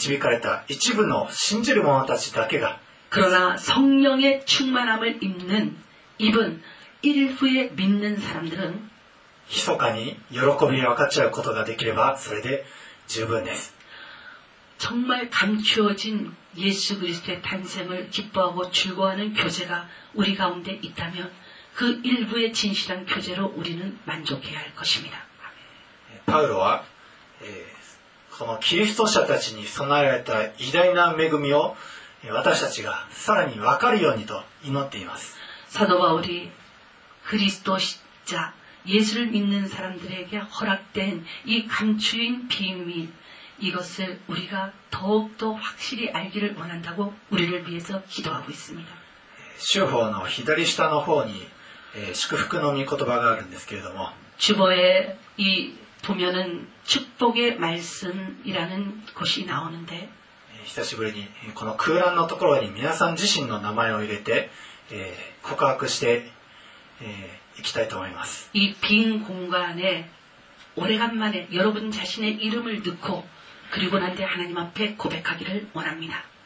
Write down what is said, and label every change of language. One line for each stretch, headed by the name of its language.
Japanese: でも精霊によって導かれた一部の信じる者たちだけが
Korean: 그러나 성령의 충만함을 입는 입은 일부의 믿는 사람들은
Japanese: 密かに喜びを分かち合うことができればそれで十分です。
Korean: 정말 감추어진 예수 그리스도의 탄생을 기뻐하고 즐거워하는 교제가 우리 가운데 있다면 그 일부의 진실한 교제로 우리는 만족해야 할 것입니다.
Japanese: パウロはこのキリスト者たちに備えられた偉大な恵みを私たちがさらに分かるようにと祈っています。
Korean: 사도 바울이 그리스도자 예수를 믿는 사람들에게 허락된 이 감추인 비밀 이것을 우리가 더욱더 확실히 알기를 원한다고 우리를 위해서 기도하고 있습니다.
Japanese: 修法の左下の方に、祝福の御言葉があるんですけれども、
Korean: 주보에이보면은축복의말씀이라는곳이나오는데
Japanese: 久しぶりにこの空欄のところに皆さん自身の名前を入れて、告白して、いきたいと思います。
Korean: 이빈공간에오래간만에여러분자신의이름을넣고그리고난뒤하나님앞에고백하기를원합니다